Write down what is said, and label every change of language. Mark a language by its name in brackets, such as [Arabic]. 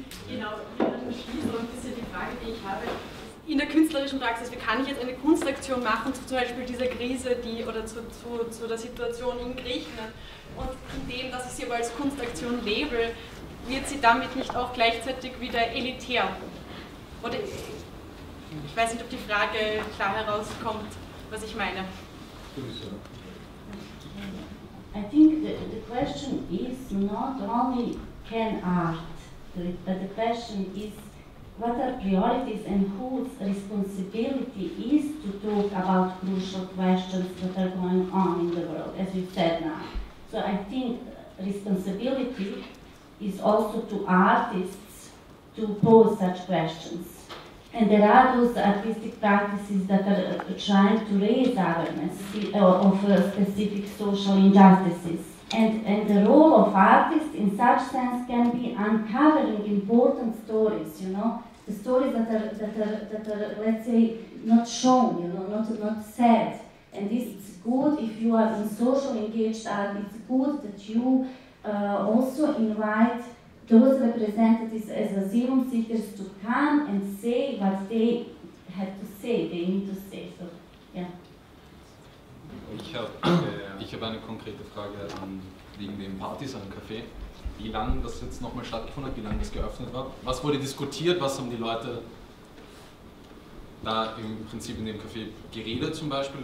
[German] Genau, und das ist ja die Frage, die ich habe in der künstlerischen Praxis, wie kann ich jetzt eine Kunstaktion machen zu zum Beispiel dieser Krise, die oder zu der Situation in Griechenland, und in dem, dass ich sie aber als Kunstaktion label, wird sie damit nicht auch gleichzeitig wieder elitär? Oder ich weiß nicht, ob die Frage klar herauskommt, was ich meine. [English] I think the question is not only can art, the question is what are priorities and whose responsibility is to talk about crucial questions that are going on in the world, as you said now. So I think responsibility is also to artists to pose such questions. And there are those artistic practices that are trying to raise awareness of specific social injustices. And the role of artists in such sense can be uncovering important stories, you know, the stories that are let's say not shown, you know, not said. And this is good if you are in social engaged art. It's good that you also invite those representatives as asylum seekers to come and say what they have to say. They need to say so. Yeah. [German] Ich hab eine konkrete Frage wegen dem Partisan-Café. Wie lange das jetzt nochmal stattgefunden hat, wie lange das geöffnet war? Was wurde diskutiert? Was haben die Leute da im Prinzip in dem Café geredet zum Beispiel?